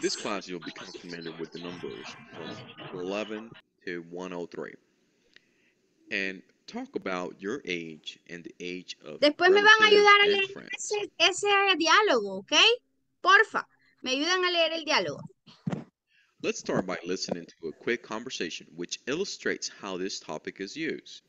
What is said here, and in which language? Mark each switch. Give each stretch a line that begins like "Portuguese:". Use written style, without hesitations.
English: This class you'll become familiar with the numbers from 11 to 103. And talk about your age and the age of...
Spanish: Después me van a ayudar a leer ese diálogo, ok. Porfa, me ayudan a leer el diálogo.
English: Let's start by listening to a quick conversation which illustrates how this topic is used.